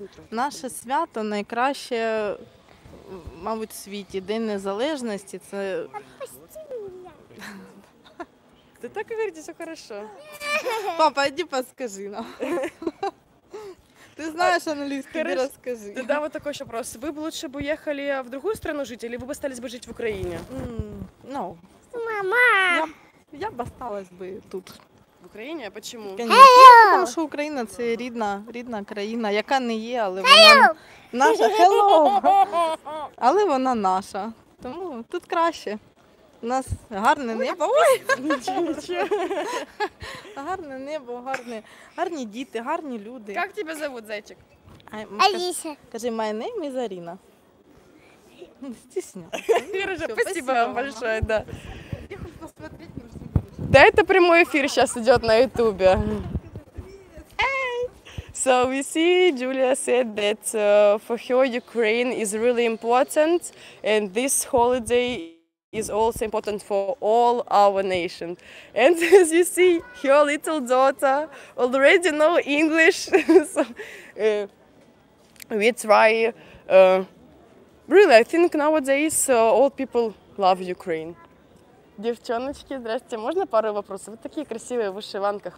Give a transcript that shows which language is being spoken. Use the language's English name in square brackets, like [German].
[Ukrainian] Наше свято найкраще, мабуть, в світі. День незалежності – це... [Russian] Ты так говоришь, все хорошо. Папа, иди подскажи нам. Ты знаешь английский, иди расскажи. Да, вот такой еще вопрос. Вы бы лучше бы уехали в другую страну жить, или вы бы остались бы жить в Украине? [English] No. [Russian] Мама! Я бы осталась бы тут. В Украине? А почему? Потому что Украина – это [Ukrainian] рідна країна, яка не є, але вона наша. [English] Hello! [Ukrainian] Але вона наша. Тому тут краще. У нас гарне небо. Гарне небо, гарні діти, гарні люди. Як тебе звуть, зайчик? Аліся. Кажи, [English] my name is Арина. Стісня. [Russian] Хорошо, спасибо вам большое, да. Да, это прямой эфир сейчас идет на Ютубе. [English] So we see Julia said that for her Ukraine is really important and this holiday is also important for all our nation. And as you see, her little daughter already know English. So we try, really, I think nowadays all people love Ukraine. [Russian] Девчоночки, здрасте, можно пару вопросов? Вот такие красивые в вышиванках.